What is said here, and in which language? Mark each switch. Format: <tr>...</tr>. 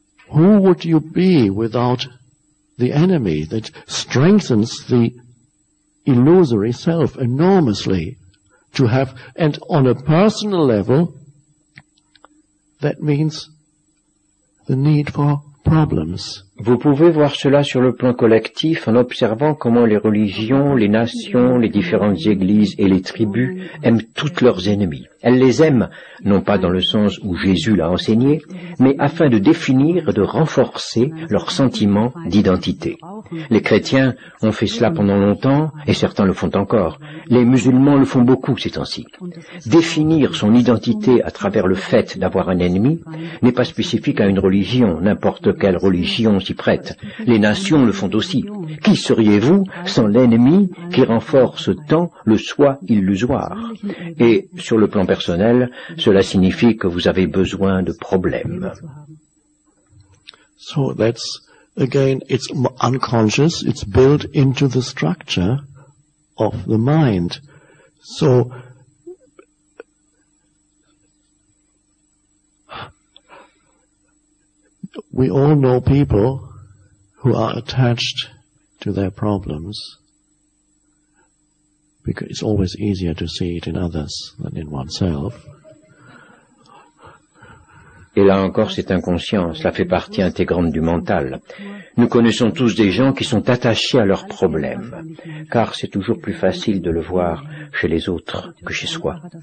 <en>Who would you be without the enemy that strengthens the illusory self enormously? To have, and on a personal level, that means the need for problems.</en> <fr>Vous pouvez voir cela sur le plan collectif en observant comment les religions, les nations, les différentes églises et les tribus aiment toutes leurs ennemis. Elles les aiment, non pas dans le sens où Jésus l'a enseigné, mais afin de définir et de renforcer leur sentiment d'identité. Les chrétiens ont fait cela pendant longtemps, et certains le font encore. Les musulmans le font beaucoup ces temps-ci. Définir son identité à travers le fait d'avoir un ennemi n'est pas spécifique à une religion, n'importe quelle religion s'y prête. Les nations le font aussi. Qui seriez-vous sans l'ennemi qui renforce tant le soi illusoire? Et sur le plan personnel, cela signifie que vous avez besoin de problèmes.</fr> <en>So that's, again, it's unconscious, it's built into the structure of the mind. So, we all know people who are attached to their problems, because it's always easier to see it in others than in oneself.</en> <fr>Et là encore, c'est inconscient, cela fait partie intégrante du mental. Nous connaissons tous des gens qui sont attachés à leurs problèmes, car c'est toujours plus facile de le voir chez les autres que chez soi.</fr>